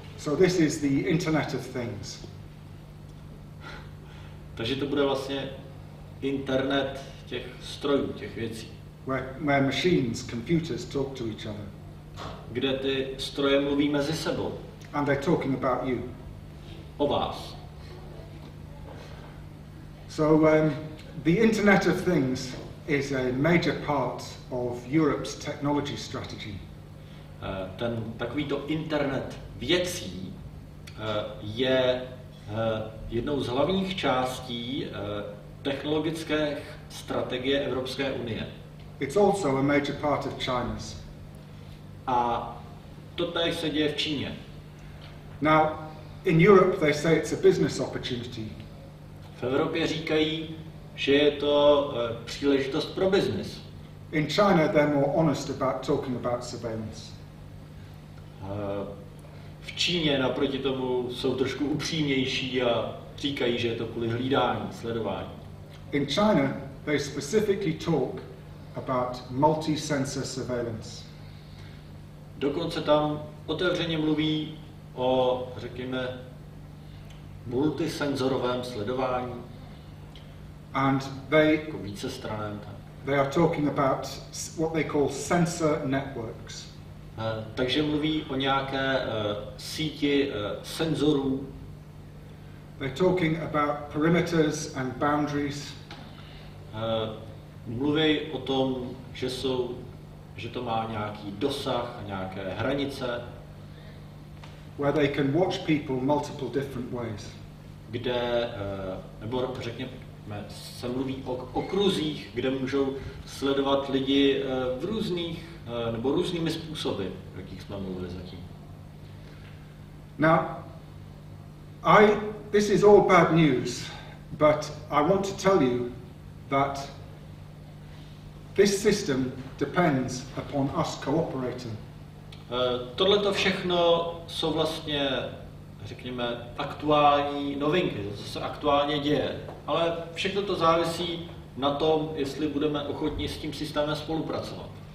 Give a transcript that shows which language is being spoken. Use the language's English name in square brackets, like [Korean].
[English] So this is the Internet of Things. [Czech] Takže to bude vlastně internet těch strojů, těch věcí. [English] Where machines, computers talk to each other. [Czech] Kde ty stroje mluví mezi sebou. [English] And they're talking about you. [Czech] o vás. [English] So the Internet of Things is a major part of Europe's technology strategy. [Czech] Ten takovýto internet věcí je jednou z hlavních částí technologické strategie Evropské unie. [English] It's also a major part of China's. [Czech] A to tady se děje v Číně. [English] Now, in Europe they say it's a business opportunity. [Czech] V Evropě říkají, že je to příležitost pro business. [English] In China they're more honest about talking about surveillance. [Czech] V Číně naproti tomu jsou trošku upřímnější a říkají, že je to kvůli hlídání, sledování. [English] In China they specifically talk about multi-sensor surveillance. [Czech] Dokonce tam otevřeně mluví o, řekněme, multisenzorovém sledování. [English] And they [Czech] jako více stranem tam. [English] They are talking about what they call sensor networks. [Czech] Takže mluví o nějaké síti senzorů. [English] They're talking about perimeters and boundaries. [Czech] Mluví o tom, že jsou, že to má nějaký dosah a nějaké hranice. [English] Where they can watch people multiple different ways. [Czech] Kde, nebo řekněme, se mluví o okruzích, kde můžou sledovat lidi v různých nebo různými způsoby, o jakých jsme mluvili zatím. [English] Now, this is all bad news, but I want to tell you that this system depends upon us cooperating. [Czech] Tohle to všechno jsou vlastně, řekněme, aktuální novinky, co se aktuálně děje, ale všechno to závisí na tom, jestli budeme ochotni s tím systémem spolupracovat.